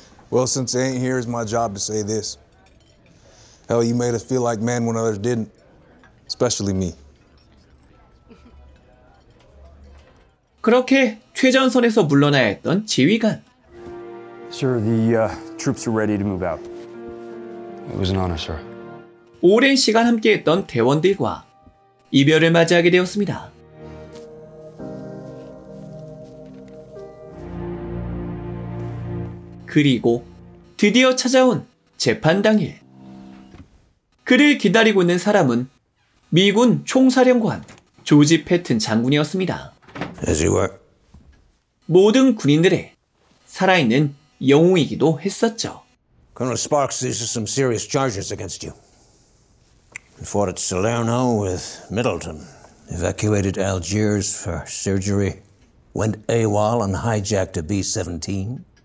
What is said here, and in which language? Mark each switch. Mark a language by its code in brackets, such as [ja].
[en] Well, since they ain't here, it's my job to say this. Hell, you made us feel like men when others didn't. Especially me. [ko] 그렇게 최전선에서 물러나야 했던 지휘관. [en] Sir, the troops are ready to move out. It was an honor, sir. [ko] 오랜 시간 함께했던 대원들과 이별을 맞이하게 되었습니다. (목소리) 그리고 드디어 찾아온 재판 당일. 그를 기다리고 있는 사람은 미군 총사령관 조지 패튼 장군이었습니다. [en] As you were. [ko] 모든 군인들의 살아있는 영웅이기도 했었죠. [en] Colonel Sparks, these are some serious charges against you. You fought at Salerno with Middleton evacuated Algiers for surgery, went AWOL and hijacked a B-17.